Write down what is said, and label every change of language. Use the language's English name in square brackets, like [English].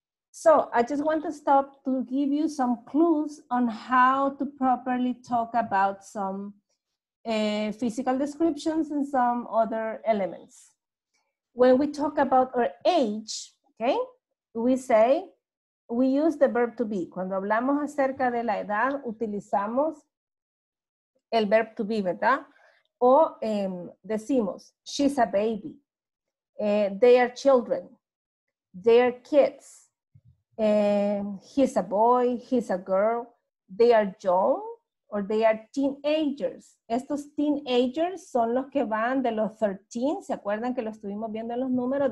[English] So I just want to stop to give you some clues on how to properly talk about some physical descriptions and some other elements. When we talk about our age, okay, we say, we use the verb to be. [Spanish] Cuando hablamos acerca de la edad, utilizamos el [English] verb to be, [Spanish] ¿verdad? O decimos, [English] she's a baby, they are children, they are kids, he's a boy, he's a girl, they are young, or they are teenagers. [Spanish] Estos teenagers son los que van de los 13, ¿se acuerdan que lo estuvimos viendo en los números?